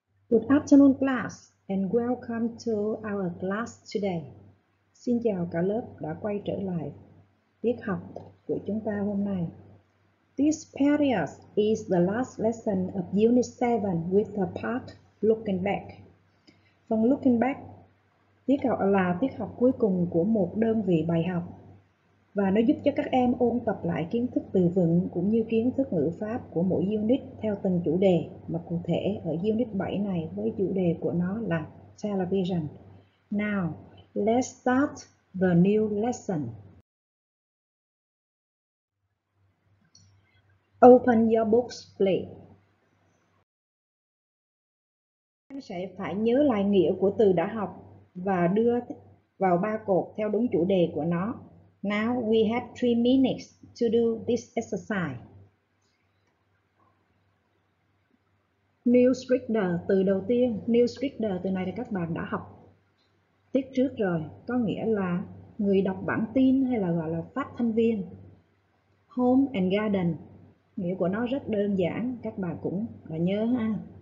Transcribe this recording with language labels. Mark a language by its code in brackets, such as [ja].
[en] Good afternoon class and welcome to our class today. [vi] Xin chào cả lớp đã quay trở lại tiết học của chúng ta hôm nay. [en] This period is the last lesson of Unit 7 with the part Looking Back. [vi] Phần Looking Back tiết học là tiết học cuối cùng của một đơn vị bài học và nó giúp cho các em ôn tập lại kiến thức từ vựng cũng như kiến thức ngữ pháp của mỗi unit theo từng chủ đề, mà cụ thể ở unit 7 này với chủ đề của nó là television. [en] Now, let's start the new lesson. Open your books, please. [vi] Em sẽ phải nhớ lại nghĩa của từ đã học và đưa vào ba cột theo đúng chủ đề của nó. [en] Now we have 3 minutes to do this exercise. [vi] Newsreader, từ đầu tiên, newsreader, từ này là các bạn đã học tiết trước rồi, có nghĩa là người đọc bản tin hay là gọi là phát thanh viên. Home and garden, nghĩa của nó rất đơn giản, các bạn cũng đã nhớ ha.